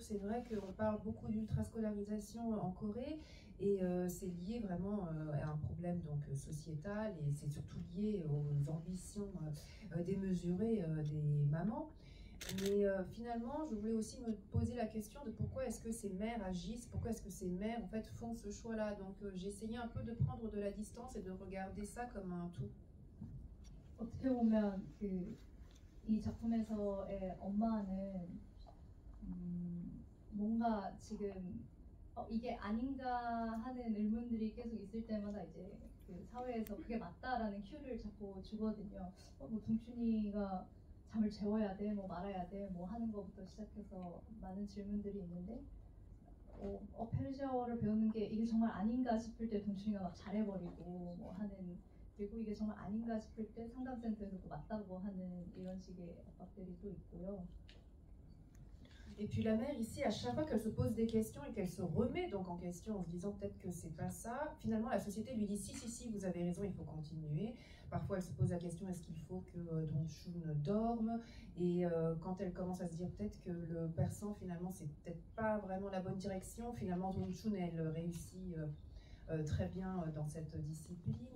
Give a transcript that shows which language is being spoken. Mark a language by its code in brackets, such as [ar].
[fr] C'est vrai qu'on parle beaucoup d'ultra-scolarisation en Corée, et c'est lié vraiment à un problème donc sociétal, et c'est surtout lié aux ambitions démesurées des mamans. Mais finalement, je voulais aussi me poser la question de pourquoi est-ce que ces mères agissent, pourquoi est-ce que ces mères en fait font ce choix-là. Donc j'ai essayé un peu de prendre de la distance et de regarder ça comme un tout. [ko] 어떻게 보면 그 이 작품에서의 엄마는 뭔가 지금 이게 아닌가 하는 의문들이 계속 있을 때마다 이제 그 사회에서 그게 맞다라는 큐를 자꾸 주거든요. 뭐 동춘이가 잠을 재워야 돼, 뭐 말아야 돼, 뭐 하는 것부터 시작해서 많은 질문들이 있는데 어페르지아어를 배우는 게 이게 정말 아닌가 싶을 때 동춘이가 막 잘해버리고 뭐 하는 그리고 이게 정말 아닌가 싶을 때 상담센터에서도 맞다고 하는 이런 식의 압박들이 또 있고요. [fr] Et puis la mère ici, à chaque fois qu'elle se pose des questions et qu'elle se remet donc en question en se disant peut-être que c'est pas ça, finalement la société lui dit si, si, si, vous avez raison, il faut continuer. Parfois elle se pose la question, est-ce qu'il faut que Dongchun dorme? Et quand elle commence à se dire peut-être que le persan finalement c'est peut-être pas vraiment la bonne direction, finalement Dongchun elle réussit très bien dans cette discipline.